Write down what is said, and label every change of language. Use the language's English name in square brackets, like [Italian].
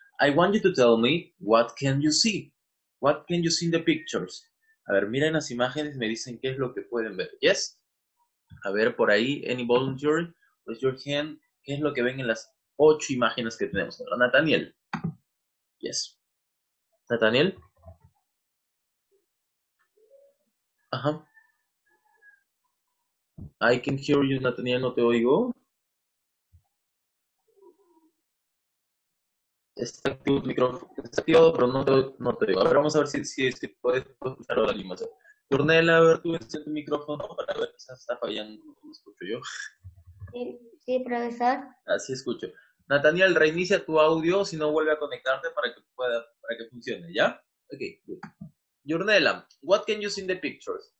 [English] I want you to tell me what can you see. What can you see in the pictures? [Spanish] A ver, miren las imágenes, me dicen qué es lo que pueden ver. Yes? A ver, por ahí, [English] any volunteer? Raise your hand. [Spanish] ¿Qué es lo que ven en las 8 imágenes que tenemos? [English] Nathaniel. Yes. Nathaniel. Ajá. I can hear you, Nathaniel, [Spanish] no te oigo. Está activo el micrófono, está activado, pero no te digo. A ver, vamos a ver si puedes escuchar la animación. Jornela, a ver, tú enciende el micrófono para ver si está fallando, no lo escucho yo. Sí, profesor. Así escucho. Nathaniel, reinicia tu audio, si no vuelve a conectarte para que funcione, ¿ya? [English] Ok. Jornela, what can you see in the pictures?